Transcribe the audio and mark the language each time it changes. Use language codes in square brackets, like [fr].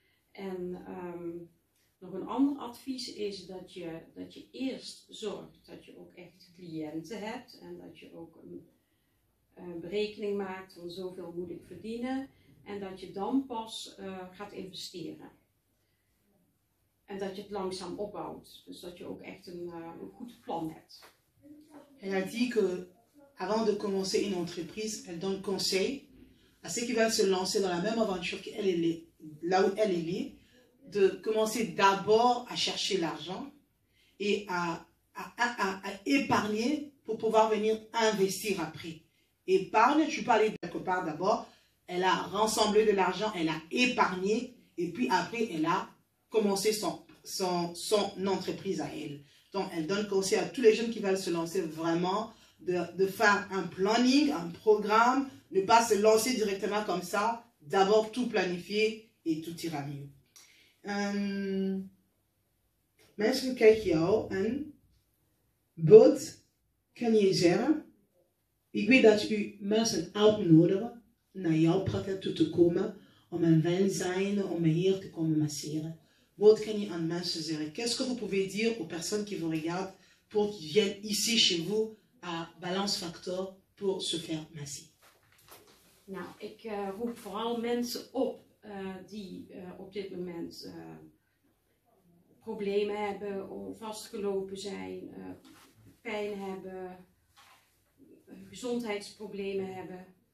[nl] En nog een ander advies is dat je eerst zorgt dat je ook echt cliënten hebt en dat je ook een berekening maakt van zoveel moet ik verdienen en dat je dan pas gaat investeren. En dat je het langzaam opbouwt. Dus dat je ook echt een goed plan hebt. [fr] Elle a dit que avant de commencer une entreprise, elle donne conseil à ceux qui veulent se lancer dans la même aventure qu'elle est là où elle est, de commencer d'abord à chercher l'argent et à épargner pour pouvoir venir investir après. Épargne, tu parlais de quelque part d'abord, elle a rassemblé de l'argent, elle a épargné et puis après elle a commencer son entreprise à elle. Donc, elle donne conseil à tous les jeunes qui veulent se lancer vraiment de faire un planning, un programme, ne pas se lancer directement comme ça, d'abord tout planifier et tout ira mieux. [nl] Mensen kijken jou en bot kan je zeggen, ik weet dat u mensen uitnodigen naar jouw praktijk toe te komen om een welzijn, om hier te komen masseren. Wat kan je aan mensen zeggen? [fr] Qu'est-ce que vous pouvez dire aux personnes qui vous regardent pour qu'ils viennent ici chez vous à Balance Factor pour se faire masser? [nl] Nou, ik roep vooral mensen op die op dit moment problemen hebben, of vastgelopen zijn, pijn hebben, gezondheidsproblemen hebben.